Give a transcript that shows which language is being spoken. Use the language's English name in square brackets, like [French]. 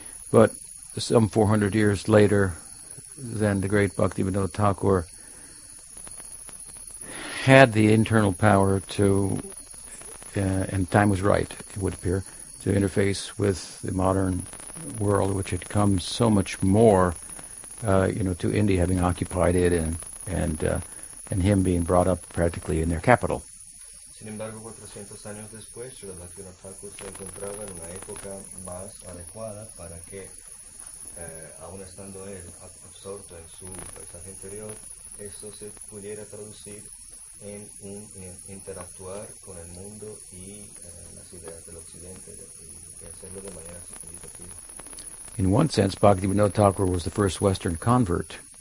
[English] But some 400 years later, then the great Bhaktivinoda Thakur had the internal power to, and time was right, it would appear, to interface with the modern world, which had come so much more, to India, having occupied it and him being brought up practically in their capital. [Spanish] Sin embargo, 400 años después, Srila Bhaktivinoda Thakur se encontraba en una época más adecuada para que, aun estando él absorto en su paisaje interior, eso se pudiera traducir en un en interactuar con el mundo y las ideas del occidente de hacerlo de manera significativa. [English] In one sense, Bhaktivinoda Thakur was the first Western convert.